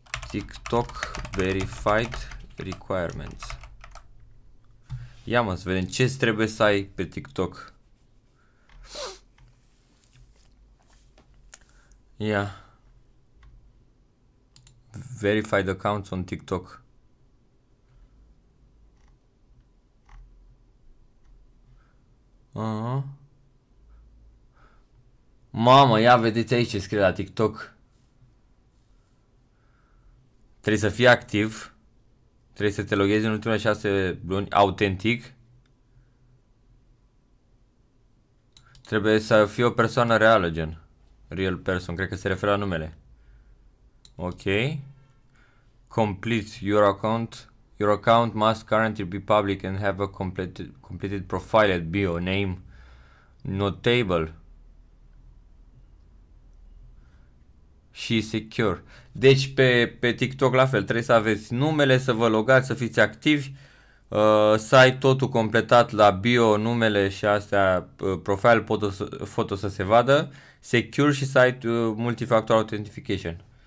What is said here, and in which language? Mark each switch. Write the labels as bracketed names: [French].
[English] TikTok Verified Requirements. [Romanian] Ia mă, să vedem ce trebuie să ai pe TikTok. Ia. [English] Verified accounts on TikTok. [Romanian] Mamă, ia vedeți aici ce scrie la TikTok. Trebuie să fii activ, trebuie să te loghezi în ultimele 6 luni, autentic. Trebuie să fii o persoană reală, gen. [English] Real person, [Romanian] cred că se referă la numele. [English] Ok. Complete your account. Your account must currently be public and have a completed profile at bio, name, notable. [Romanian] Și secure. Deci pe TikTok la fel, trebuie să aveți numele, să vă logați, să fiți activi, să ai totul completat la bio, numele și astea, profile, foto să se vadă, secure și să ai multifactor authentication.